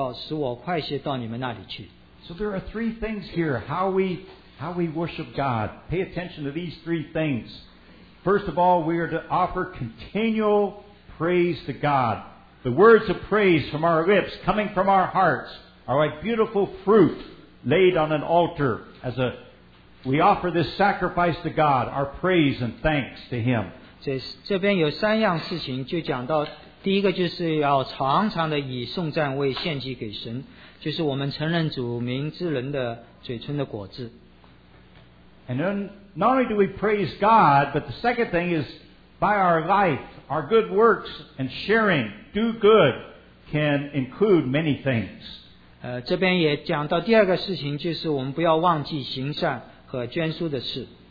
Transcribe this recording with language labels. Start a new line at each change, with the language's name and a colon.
Chinese: 这敬拜祭祀，我们应当靠着耶稣常常以颂赞为献祭给神。这就是那承认主名之人的嘴唇的果子，只是不可忘记行善和捐书的事，因为这样的祭是神所喜悦的。请你们为我们祷告，因为我们自觉良心无愧，愿意凡事按正道而行。我更求你们为我祷告，使我快些到你们那里去。
English: So there are three things here. How we worship God. Pay attention to these three things. First of all, we are to offer continual praise to God. The words of praise from our lips, coming from our hearts, are like beautiful fruit laid on an altar. We offer this sacrifice to God, our praise and thanks to Him.
Chinese: 这边有三样事情就讲到，第一个就是要常常的以颂赞为献祭给神，就是我们承认主名之人的嘴唇的果子。
English: And then not only do we praise God, but the second thing is by our life, our good works and sharing, do good can include many things.
Chinese: 这边也讲到第二个事情，就是我们不要忘记行善和捐书的事。